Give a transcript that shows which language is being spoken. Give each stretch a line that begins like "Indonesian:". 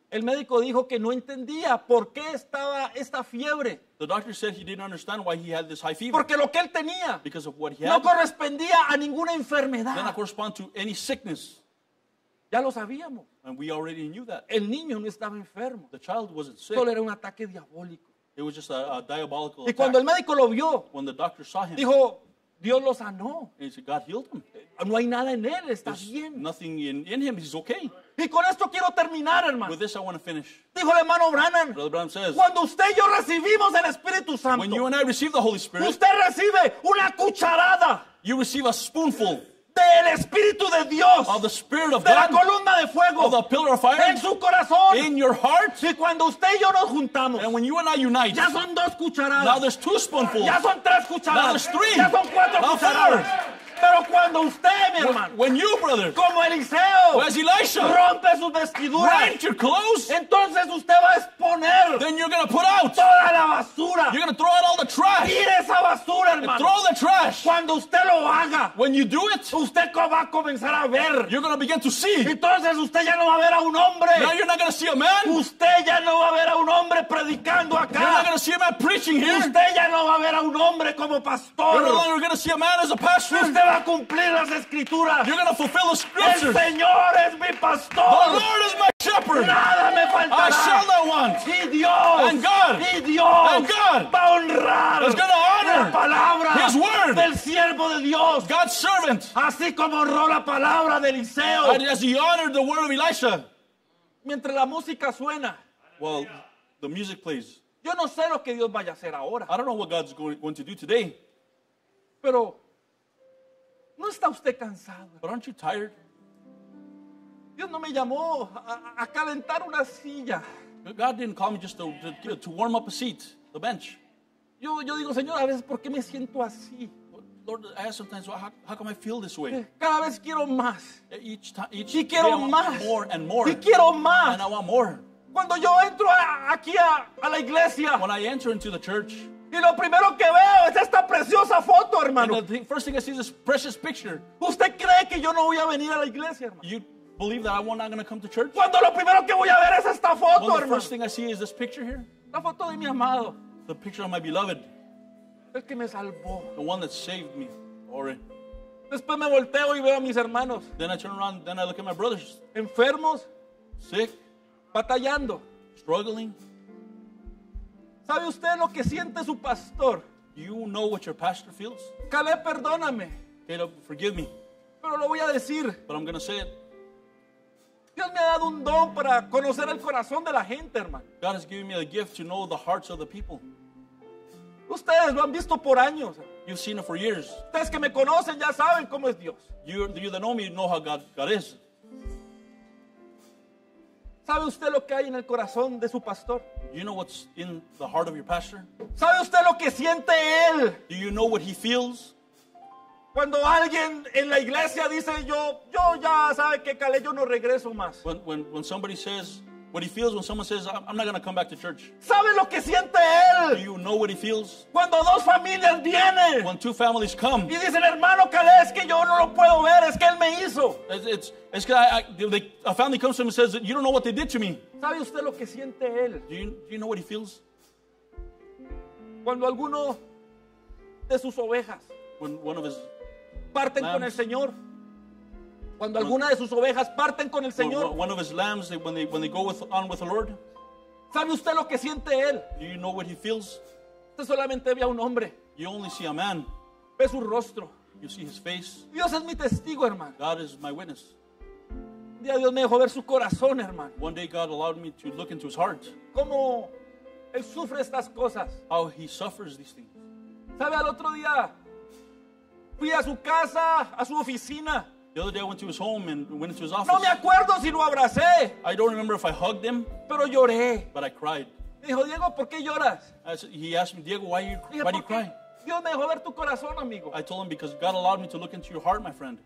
Spanish: El médico dijo que no entendía por qué estaba esta fiebre.
English: The doctor said he didn't understand why he had this high fever.
Spanish: Porque lo que él tenía.
English: Because of what he had.
Spanish: No correspondía a ninguna enfermedad.
English: Did not correspond to any sickness.
Spanish: Ya lo sabíamos.
English: And we already knew that.
Spanish: El niño no estaba enfermo.
English: The child wasn't sick.
Spanish: Solo era un ataque diabólico.
English: It was just a diabolical attack.
Spanish: Y cuando el médico lo vio.
English: When the doctor saw him.
Spanish: Dijo, Dios lo sanó.
English: And so God healed him.
Spanish: No hay nada en él, está
English: There's
Spanish: bien.
English: Nothing in him, he's okay.
Spanish: Y con esto quiero terminar, hermano.
English: With this I want to finish.
Spanish: Dijo el hermano Branham.
English: Brother Branham says,
Spanish: cuando usted y yo recibimos el Espíritu Santo,
English: when you and I receive the Holy Spirit,
Spanish: usted recibe una cucharada.
English: You receive a spoonful.
Spanish: Del Espíritu de Dios.
English: Of the Spirit of
Spanish: de
English: God.
Spanish: De la columna de fuego.
English: Of the pillar of fire.
Spanish: En su corazón.
English: In your heart.
Spanish: Y cuando usted y yo nos juntamos.
English: And when you and I unite.
Spanish: Ya son dos cucharadas.
English: Now there's two spoonfuls.
Spanish: Ya son tres cucharadas.
English: Now there's three.
Spanish: Ya son cuatro
English: now
Spanish: cucharadas.
English: Four.
Spanish: Pero cuando usted, mi hermano,
English: when you, brother,
Spanish: como Eliseo,
English: as Elisha,
Spanish: rompe sus vestiduras,
English: rent your clothes,
Spanish: entonces usted va a exponer,
English: then you're gonna put out
Spanish: toda la basura,
English: you're gonna throw out all the trash,
Spanish: tire esa basura, hermano,
English: throw the trash.
Spanish: Cuando usted lo haga,
English: when you do it,
Spanish: usted va a comenzar a ver,
English: you're gonna begin to see.
Spanish: Entonces usted ya no va a ver a un hombre,
English: now you're not gonna see a man,
Spanish: usted ya no va a ver a un hombre predicando acá,
English: you're not gonna see a man preaching here,
Spanish: usted ya no va a ver a un hombre como pastor,
English: you're no longer gonna see a man as a pastor.
Spanish: Usted va a cumplir las escrituras.
English: You're going to fulfill the scriptures.
Spanish: El Señor es mi pastor.
English: The Lord is my shepherd.
Spanish: Nada me faltará.
English: I shall not want.
Spanish: Y Dios.
English: And God.
Spanish: Y Dios.
English: And God.
Spanish: Va a honrar.
English: He's going to honor.
Spanish: La palabra.
English: His word.
Spanish: Del siervo de Dios.
English: God's servant.
Spanish: Así como honró la palabra de Eliseo.
English: And as he honored the word of Elisha.
Spanish: Mientras la música suena.
English: Well, the music plays.
Spanish: Yo no sé lo que Dios vaya a hacer ahora.
English: I don't know what God's going to do today.
Spanish: Pero... ¿no está usted cansado?
English: But aren't you tired?
Spanish: Dios no me llamó a calentar una silla.
English: God didn't call me just to warm up a seat, the bench.
Spanish: Yo digo, Señor, a veces, ¿por qué me siento así?
English: Lord, I ask sometimes, well, how come I feel this way?
Spanish: Cada vez quiero más.
English: Each
Spanish: y quiero
English: day
Spanish: más.
English: More and more.
Spanish: Y quiero más.
English: And I want more.
Spanish: Cuando yo entro aquí a la iglesia.
English: When I enter into the church.
Spanish: Y lo primero que veo es esta preciosa foto, hermano.
English: And the first thing I see is this precious picture.
Spanish: ¿Usted cree que yo no voy a venir a la iglesia, hermano?
English: You believe that I'm not going to come to church?
Spanish: Cuando lo primero que voy a ver es esta foto, hermano.
English: When the first thing I see is this picture here.
Spanish: La foto de mi amado.
English: The picture of my beloved.
Spanish: El que me salvó.
English: The one that saved me, Ori.
Spanish: Después me volteo y veo a mis hermanos.
English: Then I turn around, then I look at my brothers.
Spanish: Enfermos.
English: Sick.
Spanish: Batallando.
English: Struggling.
Spanish: ¿Sabe usted lo que siente su pastor?
English: You know what your pastor feels?
Spanish: Caleb, perdóname.
English: Caleb, forgive me.
Spanish: Pero lo voy a decir.
English: But I'm going to say it.
Spanish: Dios me ha dado un don para conocer el corazón de la gente, hermano.
English: God has given me a gift to know the hearts of the people.
Spanish: Ustedes lo han visto por años.
English: You've seen it for years.
Spanish: Ustedes que me conocen ya saben cómo es Dios.
English: You that know me, you know how God is.
Spanish: ¿Sabe usted lo que hay en el corazón de su pastor?
English: Do you know what's in the heart of your pastor?
Spanish: ¿Sabe usted lo que siente él?
English: Do you know what he feels?
Spanish: Cuando alguien en la iglesia dice yo ya sabe que calé, yo no regreso más.
English: When somebody says what he feels, when someone says I'm not going to come back to church.
Spanish: ¿Sabe lo que siente él?
English: Do you know what he feels?
Spanish: Cuando dos familias vienen.
English: When two families come.
Spanish: Y dicen hermano calé, es que yo no lo puedo ver, es que él me hizo.
English: It's because a family comes to him and says, you don't know what they did to me.
Spanish: ¿Sabe usted lo que siente él?
English: Do you know what he feels?
Spanish: Cuando alguno de sus ovejas.
English: When one of his
Spanish: parten
English: lambs,
Spanish: con el Señor. Cuando when, alguna de sus ovejas parten con el Señor.
English: One of his lambs, when they go on with the Lord.
Spanish: ¿Sabe usted lo que siente él?
English: Do you know what he feels?
Spanish: Usted solamente ve a un hombre.
English: You only see a man.
Spanish: Ve su rostro.
English: You see his face.
Spanish: Dios es mi testigo, hermano.
English: God is my witness.
Spanish: Dios me dejó ver su corazón, hermano.
English: One day God allowed me to look into his heart.
Spanish: ¿Cómo él sufre estas cosas?
English: How he suffers these things.
Spanish: ¿Sabe? Al otro día fui a su casa, a su oficina.
English: The other day I went to his home and went into his office.
Spanish: No me acuerdo si lo abracé.
English: I don't remember if I hugged him.
Spanish: Pero lloré.
English: But I cried.
Spanish: Dijo, Diego, ¿por qué lloras?
English: He asked me, Diego, why do you cry?
Spanish: Dios me dejó ver tu corazón, amigo.
English: I told him, because God allowed me to look into your heart, my friend.